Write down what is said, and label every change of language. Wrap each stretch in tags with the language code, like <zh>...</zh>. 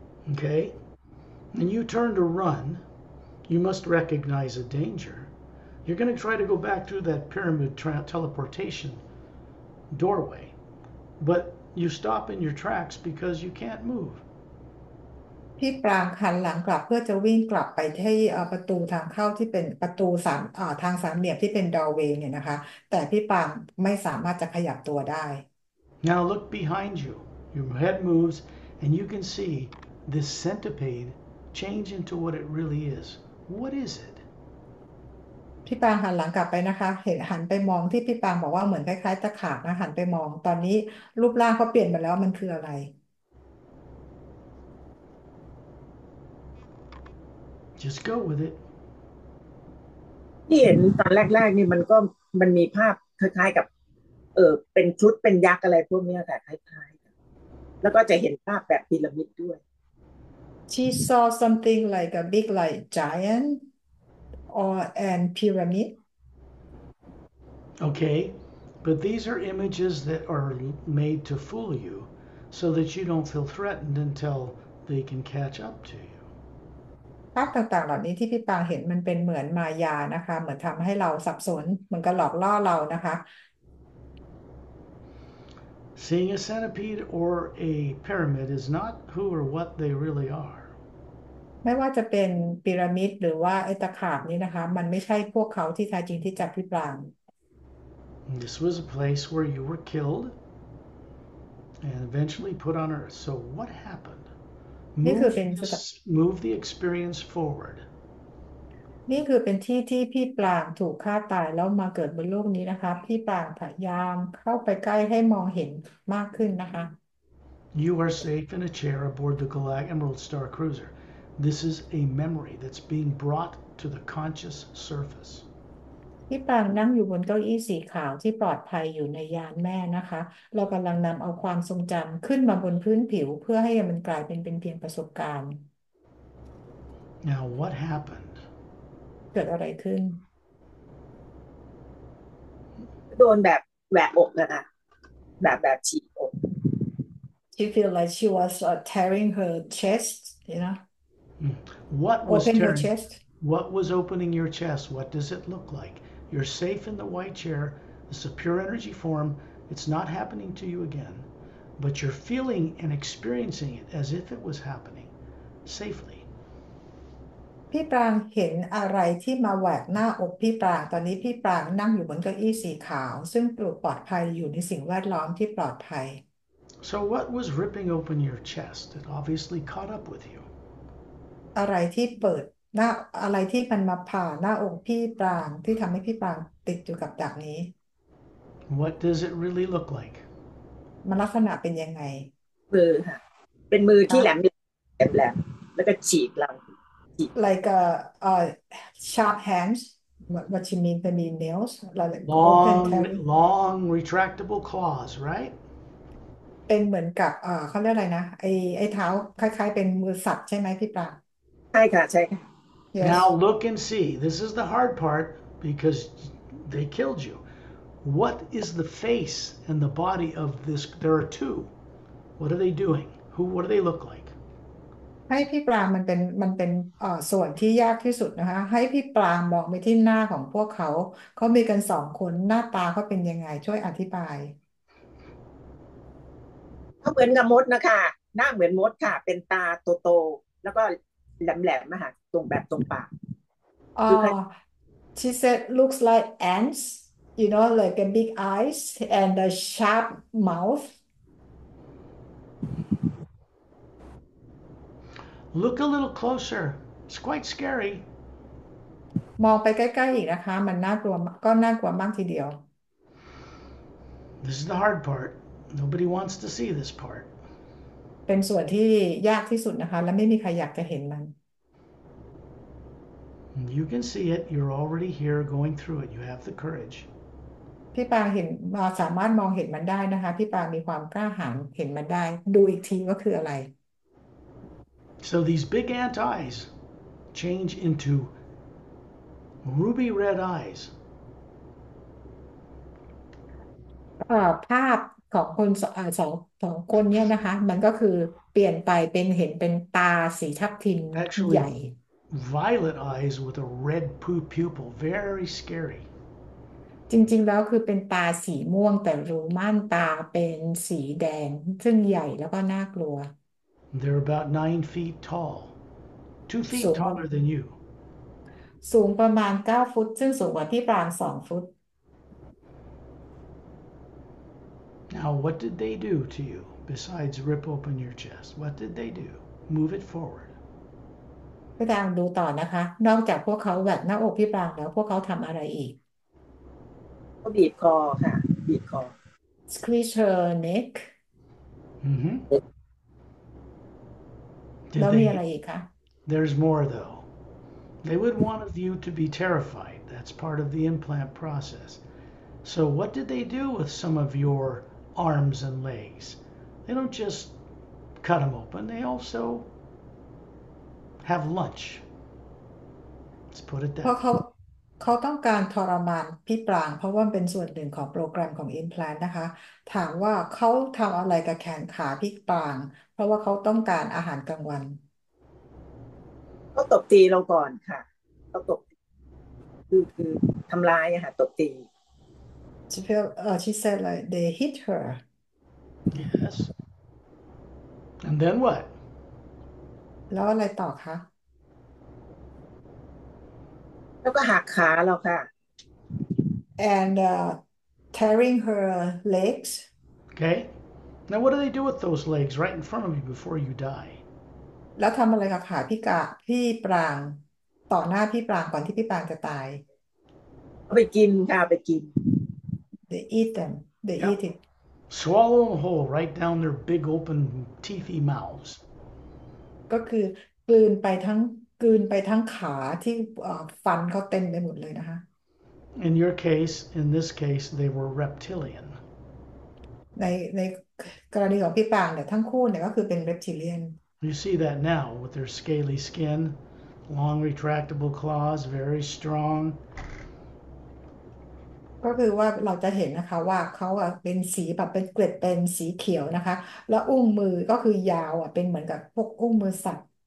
<en>okay and you turn to run you must recognize a danger you're going to try to go back through that pyramid teleportation doorway but you stop in your tracks because you can't move</en> <th>พี่ปรางหันหลังกลับเพื่อจะวิ่งกลับไปที่ประตูทางเข้าที่เป็นประตูสามทางสามเหลี่ยมที่เป็นดอลเวย์เนี่ยนะคะแต่พี่ปรางไม่สามารถจะขยับตัวได้</th> <en>Now look behind you. Your head moves and you can see this centipede change into what it really is. What is it?</en> <th>พี่ปางหันหลังกลับไปนะคะเห็นหันไปมองที่พี่ปางบอกว่าเหมือนคล้ายๆตะขาบนะหันไปมองตอนนี้รูปร่างเขาเปลี่ยนไปแล้วมันคืออะไร</th> <en>Just go with it</en> <th>ที่เห็นตอนแรกๆนี่มันมีภาพคล้ายๆกับเป็นชุดเป็นยักษ์อะไรพวกนี้แต่คล้ายๆแล้วก็จะเห็นภาพแบบพีระมิดด้วย</th> <en>She saw something like a big like giant or an pyramid Okay but these are images that are made to fool you so that you don't feel threatened until they can catch up to you</en> <th>ภาพต่างๆเหล่านี้ที่พี่ปางเห็นมันเป็นเหมือนมายานะคะเหมือนทำให้เราสับสนเหมือนกับหลอกล่อเรานะคะ</th> <en>Seeing a centipede or a pyramid is not who or what they really are.</en> <th>ไม่ว่าจะเป็นพีระมิดหรือว่าไอ้ตะขาบนี้นะคะมันไม่ใช่พวกเขาที่แท้จริงที่จับพี่ปลาง</th> <en>This was a place where you were killed and eventually put on earth. So what happened?</en> <th>นี่คือเป็น</th> <en>Move the experience forward.</en> <th>นี่คือเป็นที่ที่พี่ปลางถูกฆ่าตายแล้วมาเกิดบนโลกนี้นะคะพี่ปลางพยายามเข้าไปใกล้ให้มองเห็นมากขึ้นนะคะ</th> <en>You are safe in a chair aboard the Galactic Emerald Star Cruiser. This is a memory that's being brought to the conscious surface.</en> <th>พี่ปางนั่งอยู่บนเก้าอี้สีขาวที่ปลอดภัยอยู่ในยานแม่นะคะเรากำลังนำเอาความทรงจำขึ้นมาบนพื้นผิวเพื่อให้มันกลายเป็นเพียงประสบการณ์</th> <en>Now, what happened?</en> <th>เกิดอะไรขึ้น โดนแบบแหวกอกนะแบบฉีกอก</th> <en>She feel like she was tearing her chest you know What was open her tearing? chest What was opening your chest? What does it look like? You're safe in the white chair. It's a pure energy form. It's not happening to you again. But you're feeling and experiencing it as if it was happening safely.</en> <th>พี่ปรางเห็นอะไรที่มาแหวกหน้าอกพี่ปรางตอนนี้พี่ปรางนั่งอยู่บนเก้าอี้สีขาวซึ่งปลอดภัยอยู่ในสิ่งแวดล้อมที่ปลอดภัย</th> <en>So what was ripping open your chest? It obviously caught up with you.</en> <th>อะไรที่เปิดหน้าอะไรที่มันมาผ่าหน้าอกพี่ปรางที่ทำให้พี่ปรางติดอยู่กับดักนี้</th> <en>What does it really look like?</en> <th>มันลักษณะเป็นยังไง มือค่ะเป็นมือที่แหลมแหลมแหลมแล้วก็ฉีกเรา</th> <en>Like sharp hands, what you mean, they mean nails, like open Long, tearing. long retractable claws, right?</en> <th>เป็นเหมือนกับเขาเรียกอะไรนะไอ้เท้าคล้ายๆเป็นมือสัตว์ใช่ไหมพี่ปลา ใช่ค่ะใช่ค่ะ</th> <en>Yes. Now look and see. This is the hard part because they killed you. What is the face and the body of this? There are two. What are they doing? What do they look like?</en> <th>ให้พี่ปรางมันเป็นส่วนที่ยากที่สุดนะคะให้พี่ปรางมองไปที่หน้าของพวกเขาเขามีกันสองคนหน้าตาเขาเป็นยังไงช่วยอธิบาย เขาเหมือนกับมดนะคะหน้าเหมือนมดค่ะเป็นตาโตโตแล้วก็แหลมแหลมนะคะตรงแบบตรงปาก</th> <en>She said looks like ants you know like a big eyes and a sharp mouth Look a little closer. It's quite scary.</en> <th>มองไปใกล้ๆอีกนะคะมันน่ากลัวก็น่ากลัวมากทีเดียว</th> <en>This is the hard part. Nobody wants to see this part.</en> <th>เป็นส่วนที่ยากที่สุดนะคะและไม่มีใครอยากจะเห็นมัน</th> <en>You can see it. You're already here going through it. You have the courage.</en> <th>พี่ปางเห็นสามารถมองเห็นมันได้นะคะพี่ปางมีความกล้าหาญเห็นมันได้ดูอีกทีว่าคืออะไร</th> <en>So these big ant eyes change into ruby red eyes.</en> <th>ภาพของคนสองคนเนี่ยนะคะมันก็คือเปลี่ยนไปเป็นเห็นเป็นตาสีทับทิมใหญ่</th> <en>violet eyes with a red pupil, very scary.</en> <th>จริงๆแล้วคือเป็นตาสีม่วงแต่รูม่านตาเป็นสีแดงซึ่งใหญ่แล้วก็น่ากลัว</th> <en>They're about 9 feet tall, 2 feet taller than you.</en> <th>สูงประมาณ9 ฟุตซึ่งสูงกว่าพี่ปราง2 ฟุต</th> <en>Now, what did they do to you besides rip open your chest? What did they do? Move it forward.</en> <th>พี่ปรางดูต่อนะคะนอกจากพวกเขาแหวกหน้าอกพี่ปรางแล้วพวกเขาทำอะไรอีก ก็บีบคอค่ะบีบคอ</th> <en>Squeeze her neck. Mm-hmm.</en> <th>แล้วมีอะไรอีกคะ</th> <en>There's more though. They would want you to be terrified. That's part of the implant process. So what did they do with some of your arms and legs? They don't just cut them open. They also have lunch. Let's put it that way.</en> <th>เขาต้องการทรมานพี่ปรางเพราะว่าเป็นส่วนหนึ่งของโปรแกรมของอินพลานนะคะถามว่าเขาทำอะไรกับแขนขาพี่ปรางเพราะว่าเขาต้องการอาหารกลางวัน เขาตบตีเราก่อนค่ะเขาตบคือทำร้ายค่ะตบตี</th> <en>She feel she said like they hit her Yes. And then what?</en> <th>แล้วอะไรต่อคะ แล้วก็หักขาเราค่ะ</th> <en>and tearing her legs Okay. Now what do they do with those legs right in front of you before you die?</en> <th>แล้วทำอะไรกับขาพี่กะพี่ปรางต่อหน้าพี่ปรางก่อนที่พี่ปรางจะตาย ไปกินค่ะไปกิน</th> <en>they eat them they Yep. eat it Swallow them whole right down their big open teethy mouths.</en> <th>ก็คือกลืนไปทั้งขาที่ฟันเขาเต็มไปหมดเลยนะคะ</th> <en>In your case, in this case, they were reptilian.</en> <th>ในกรณีของพี่ปางเนี่ยทั้งคู่เนี่ยก็คือเป็นเรปทิเลียน</th> <en>You see that now with their scaly skin, long retractable claws, very strong.</en> <th>ก็คือว่าเราจะเห็นนะคะว่าเขาอ่ะเป็นสีแบบเป็นเกล็ดเป็นสีเขียวนะคะแล้วอุ้งมือก็คือยาวอ่ะเป็นเหมือนกับพวกอุ้งมือสัตว์</th>